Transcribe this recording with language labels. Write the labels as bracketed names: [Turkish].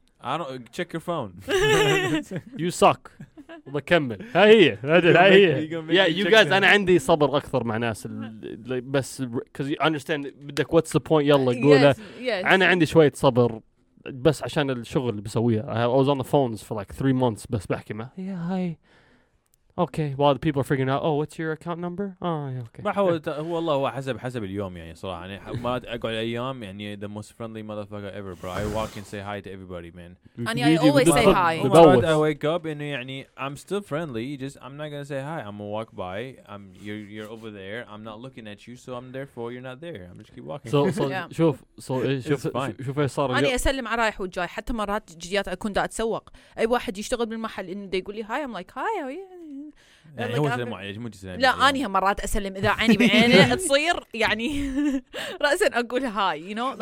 [English] I don't check your phone. You suck. [Arabic] بكمل. ها هي. ها هي. [English] Yeah, you guys. [Arabic] أنا عندي صبر أكثر مع ناس. بس [English] because you understand. [Arabic] بدك [English] what's the point؟ [Arabic] يلا قولها. أنا عندي شوية صبر. بس عشان الشغل اللي بسويه. [English] I was on the phones for like 3 months. [Arabic] بس بحكي معه. [English] Yeah, hi. Okay. While the people are figuring out. Oh, what's your account number? Oh, yeah, okay. [Arabic] ما هو والله هو حسب اليوم يعني صراحة يعني ما أقول أيام يعني [English] the most friendly motherfucker ever, bro. I walk and say hi to everybody, man. And I always say hi. But I wake up and يعني I'm still friendly. Just I'm not gonna say hi. I'm gonna walk by. I'm you're over there. I'm not looking at you, so I'm therefore you're not there. I'm just keep walking. So [Arabic] شوف إيش صار. أنا أسلم على رايح وجاي حتى مرات جيات أكون دا أتسوق أي واحد يشتغل بالمحل إنه دا يقولي hi. [English] I'm like hi. How are you? [Arabic] يعني هو سلم عليك مو جسلم. لا أنا مرات أسلم إذا عيني بعيني تصير يعني رأسا أقول هاي [English] you know